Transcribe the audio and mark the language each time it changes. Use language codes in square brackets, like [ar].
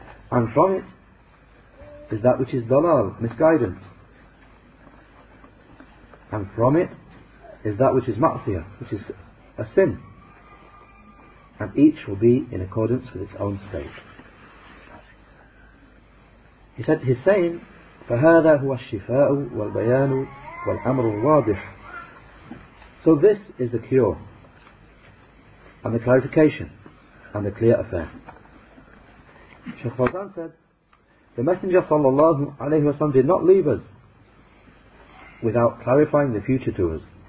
[en] And from it is that which is dalal, misguidance. And from it is that which is ma'asiyah, which is a sin. And each will be in accordance with its own state. He said, he's saying, [ar] فَهَذَا هُوَ الشِّفَاءُ وَالْبَيَانُ وَالْأَمْرُ الْوَاضِحُ. [en] So this is the cure, and the clarification, and the clear affair. Shaykh Fawzan said, the Messenger sallallahu alayhi wa sallam did not leave us without clarifying the future to us.